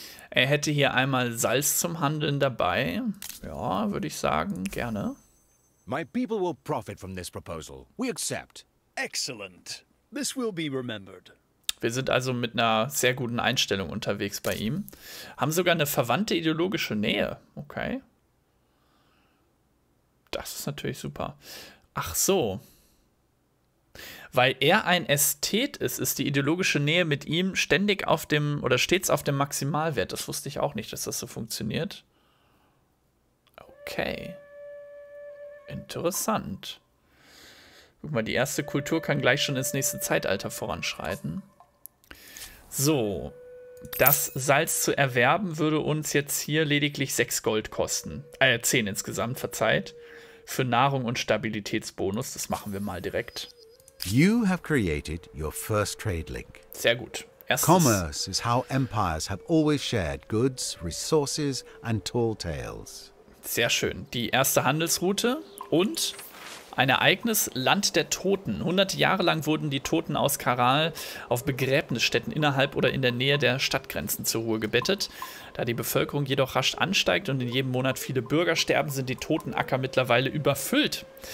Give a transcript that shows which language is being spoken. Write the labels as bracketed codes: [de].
[de] Er hätte hier einmal Salz zum Handeln dabei. Ja, würde ich sagen, gerne. [en] My people will profit from this proposal. We accept. Excellent. This will be remembered. [de] Wir sind also mit einer sehr guten Einstellung unterwegs bei ihm. Haben sogar eine verwandte ideologische Nähe. Okay. Das ist natürlich super. Ach so. Weil er ein Ästhet ist, ist die ideologische Nähe mit ihm ständig auf dem oder stets auf dem Maximalwert. Das wusste ich auch nicht, dass das so funktioniert. Okay. Interessant. Guck mal, die erste Kultur kann gleich schon ins nächste Zeitalter voranschreiten. So. Das Salz zu erwerben würde uns jetzt hier lediglich 6 Gold kosten. 10 insgesamt, verzeiht. Für Nahrung und Stabilitätsbonus. Das machen wir mal direkt. [en] You have created your first trade link. [de] Sehr gut. Erstens. [en] Commerce is how empires have always shared goods, resources and tall tales. [de] Sehr schön. Die erste Handelsroute und ein Ereignis, Land der Toten. Hunderte Jahre lang wurden die Toten aus Karal auf Begräbnisstätten innerhalb oder in der Nähe der Stadtgrenzen zur Ruhe gebettet. Da die Bevölkerung jedoch rasch ansteigt und in jedem Monat viele Bürger sterben, sind die Totenacker mittlerweile überfüllt.